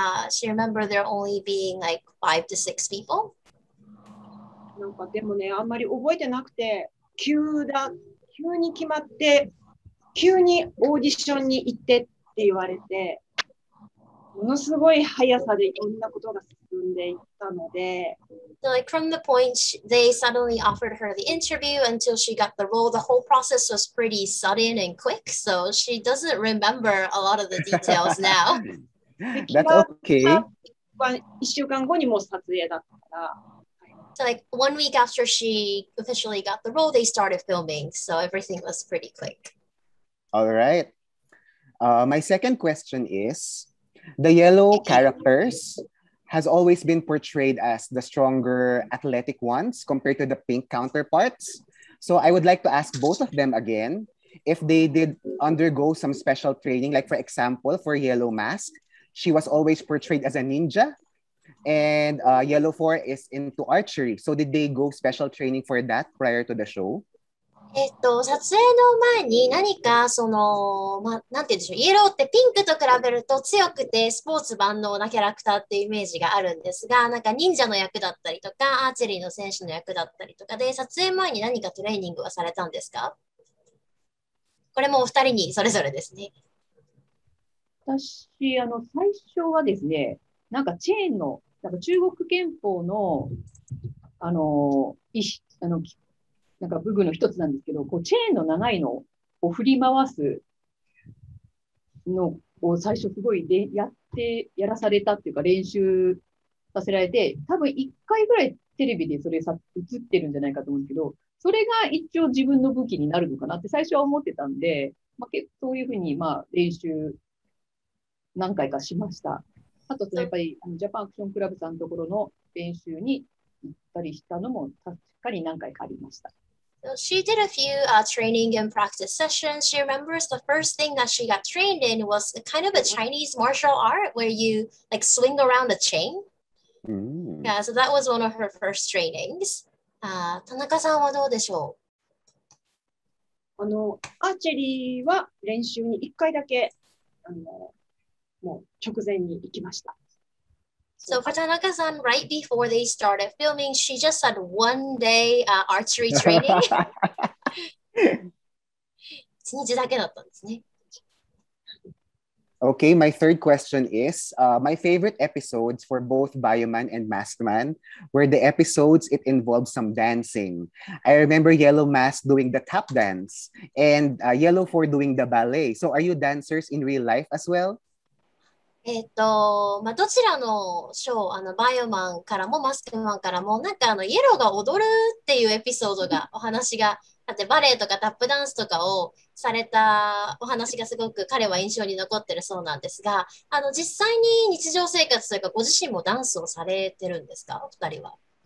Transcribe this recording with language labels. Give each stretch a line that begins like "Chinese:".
English: She remembered there only being like 5 to 6 people.
Japanese: なんかでもね、あんまり覚えてなくて、急に決まって、急にオーディションに行ってって言われて、ものすごい速さでいろんなことが進んでいったので、
English: so、like from the point they suddenly offered her the interview until she got the role, the whole process was pretty sudden and quick, so she doesn't remember a lot of the details now. That's okay.
Japanese: 1週間後にもう撮影だったから。
English: So like 1 week after she officially got the role, they started filming, so everything was pretty quick. All right. My second question is, the yellow characters has always been portrayed as the stronger athletic ones compared to the pink counterparts. So I would like to ask both of them again, if they did undergo some special training, like for example, for Yellow Mask, she was always portrayed as a ninja. And Yellow 4 is into archery. So did they go special training for that prior to the show?
Japanese: 撮影の前に何かその、まあ、なんて言うんでしょう、イエローってピンクと比べると強くてスポーツ万能なキャラクターっていうイメージがあるんですが、なんか忍者の役だったりとか、アーチェリーの選手の役だったりとかで、撮影前に何かトレーニングはされたんですか？これもお二人にそれぞれですね。私、最初はですね、なんかチェーンの、なんか中国拳法の、なんか武具の一つなんですけど、こうチェーンの長いのを振り回すのを最初すごいでやってやらされたっていうか練習させられて、多分1回ぐらいテレビでそれ映ってるんじゃないかと思うんですけど、それが一応自分の武器になるのかなって最初は思ってたんで、まあ、そういうふうにまあ練習何回かしました。あとやっぱりジャパンアクションクラブさんのところの練習に行ったりしたのも確かに何回かありました。
English: She did a few training and practice sessions. She remembers the first thing that she got trained in was kind of a Chinese martial art where you like swing around a chain. Mm. Yeah, so that was one of her first trainings.
Japanese: Tanaka-san はどうでしょう？アーチェリーは練習に1回だけもう直前に行きました。
English: So for Tanaka-san, right before they started filming, she just had 1 day archery training.
Japanese: 1日だけだったんですね。
English: Okay, my third question is, my favorite episodes for both Bioman and Maskman were the episodes it involved some dancing. I remember Yellow Mask doing the tap dance and Yellow 4 doing the ballet. So are you dancers in real life as well?
Japanese: まあ、どちらのショー、バイオマンからもマスクマンからも、なんかイエローが踊るっていうエピソードが、お話が、だってバレエとかタップダンスとかをされたお話がすごく彼は印象に残ってるそうなんですが、実際に日常生活というかご自身もダンスをされてるんですか、お二人は。